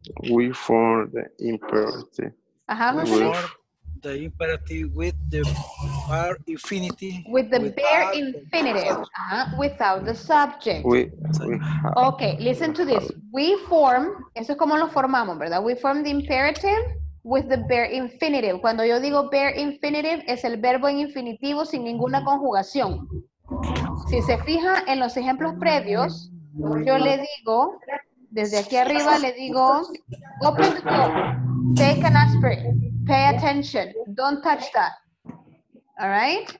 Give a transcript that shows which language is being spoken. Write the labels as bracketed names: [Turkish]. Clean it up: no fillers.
[English] We for the imperative. Ajá, José Luis. For the imperative with the bare infinitive. With the bare infinitive. Ajá, without the subject. We have. Okay, listen to this. We form, [Spanish] eso es como lo formamos, ¿verdad? [English] We form the imperative with the bare infinitive. [Spanish] Cuando yo digo bare infinitive, es el verbo en infinitivo sin ninguna conjugación. Si se fija en los ejemplos previos, yo le digo, desde aquí arriba le digo, [English] open the door, take an aspirin, pay attention, don't touch that. All right?